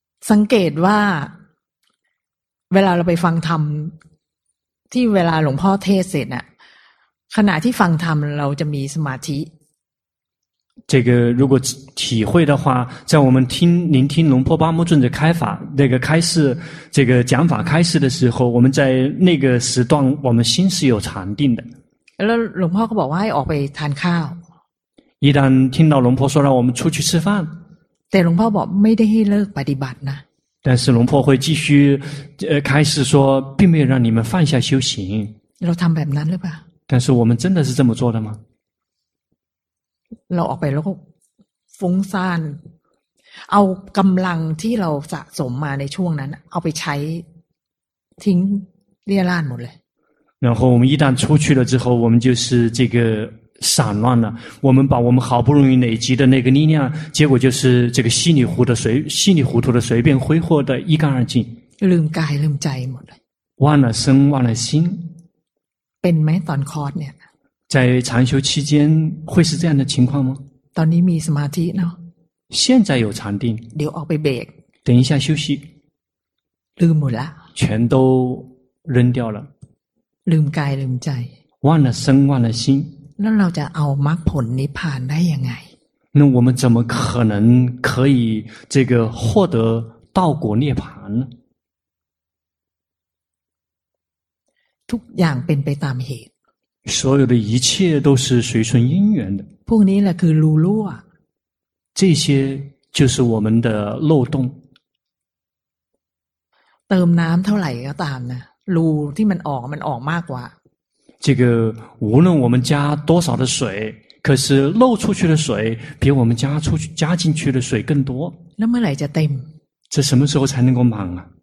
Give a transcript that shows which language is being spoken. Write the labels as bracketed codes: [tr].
[th] สังเกตว่าเวลาเราไปฟังธรรมที่เวลาหลวงพ่อเทศเสร็จน่ะขณะที่ฟังธรรมเราจะมีสมาธิ [zh] 这个如果体会的话在我们听聆听龙婆巴木尊者开法那个开示这个讲法开示的时候我们在那个时段我们心是有禅定的 [th] แล้วหลวงพ่อก็บอกว่าให้ออกไปทานข้าว [zh] 一旦听到龙婆说让我们出去吃饭 [th] แต่หลวงพ่อบอกไม่ได้ให้เลิกปฏิบัตินะ [zh] 但是龙婆会继续开示说并没有让你们放下修行 [th] เราทำแบบนั้นหรือเปล่า [zh] 但是我们真的是这么做的吗 [th] เราออกไปแล้วก็ฟุ้งซ่านเอากำลังที่เราสะสมมาในช่วงนั้นเอาไปใช้ทิ้งเรี่ยราดหมดเลย [zh] 然后我们一旦出去了之后我们就是这个散乱了我们把我们好不容易累积的那个力量结果就是这个稀里糊涂的随便挥霍的一干二净 [th] ลืมกายลืมใจหมดเลย [zh] 忘了身忘了心 [th] เป็นไหมตอนคอร์สเนี่ย [zh] 在禅修期间会是这样的情况吗 [th] ตอนนี้มีสมาธิเนาะ [zh] 现在有禅定 [th] เดี๋ยวออกไปเบรก [zh] 等一下休息 [th] ลืมหมดละ [zh] 全都扔掉了 [th] ลืมกายลืมใจ [zh] 忘了身忘了心 [th] แล้วเราจะเอามรรคผลนิพพานได้ยังไง [zh] 那我们怎么可能可以这个获得道果涅槃呢 [th] ทุกอย่างเป็นไปตามเหตุ [zh] 所有的一切都是随顺因缘的 [th] พวกนี้แหละคือรูรั่ว [zh] 这些就是我们的漏洞 [th] เติมน้ำเท่าไหร่ก็ตามนะรูที่มันออกมากกว่า [zh] 这个无论我们加多少的水可是漏出去的水比我们加进去的水更多 [th] แล้วเมื่อไหร่จะเต็ม [zh] 这什么时候才能够满啊